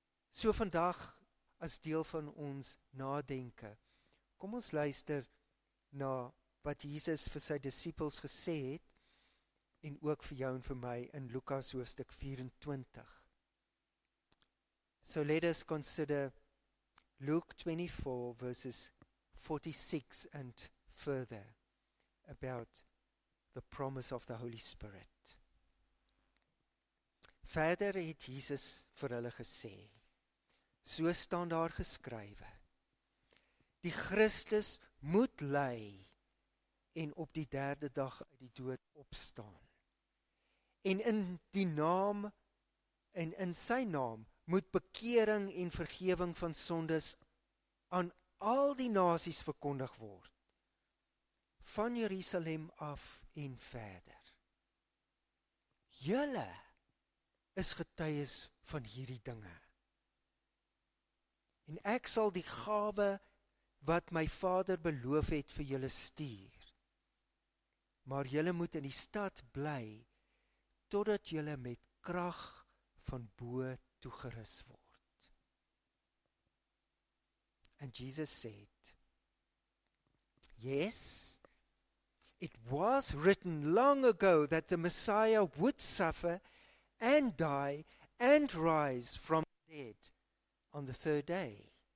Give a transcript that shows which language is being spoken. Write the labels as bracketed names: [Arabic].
[Afrikaans] So vandag, as deel van ons nadenke, kom ons luister na wat Jesus vir sy disippels gesê het, en ook vir jou en vir my in Lukas hoofstuk 24. [English] So let us consider Luke 24 verses 46 and further about the promise of the Holy Spirit. [Afrikaans] Verder het Jesus vir hulle gesê, so staan daar geskrywe, die Christus moet ly en op die derde dag uit die dood opstaan. En in die naam, en in sy naam, moet bekering en vergeving van sondes aan al die nasies verkondig word, van Jerusalem af en verder. Julle is getuies van hierdie dinge. En ek sal die gawe wat my Vader beloof het vir julle stuur. Maar julle moet in die stad bly, totdat julle met krag van bo toegerus word. [English] And Jesus said, yes, it was written long ago that the Messiah would suffer and die and rise from the dead on the third day.